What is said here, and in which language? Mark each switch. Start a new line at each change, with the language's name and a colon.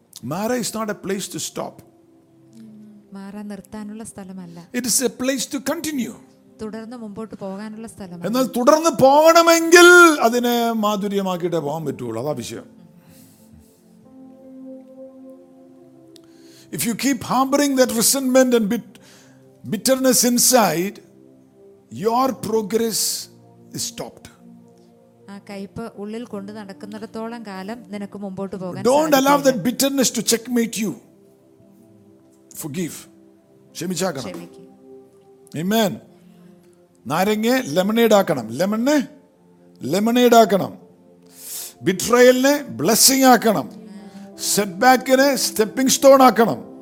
English: മാര is not a place to stop,
Malayalam: മാറാൻ നിർത്താനുള്ള സ്ഥലമല്ല,
English: it is a place to continue,
Malayalam: തുടർന്ന് മുമ്പോട്ട് പോകാനുള്ള സ്ഥലം. എന്നാൽ തുടർന്ന് പോകണമെങ്കിൽ അതിനെ മാധുര്യമാക്കിട്ടേ പോകാൻ പറ്റുള്ളൂ, അതാ വിഷയം.
English: If you keep harboring that resentment and bitterness inside, your progress is stopped.
Malayalam: കയ്പ് ഉള്ളിൽ കൊണ്ട് നടക്കുന്നിടത്തോളം കാലം നിനക്ക് മുമ്പോട്ട് പോകാൻ.
English: Don't allow that bitterness to checkmate you. Forgive.
Malayalam: ക്ഷമിച്ചാക്കണം.
English: Amen.
Malayalam: നാരങ്ങ ലെമണേഡ് ആക്കണം, ലെമണ് ലെമണേഡ് ആക്കണം, ബിട്രയലിനെ ബ്ലെസ്സിങ് ആക്കണം, സെറ്റ് ബാക്കിനെ സ്റ്റെപ്പിംഗ് സ്റ്റോൺ ആക്കണം.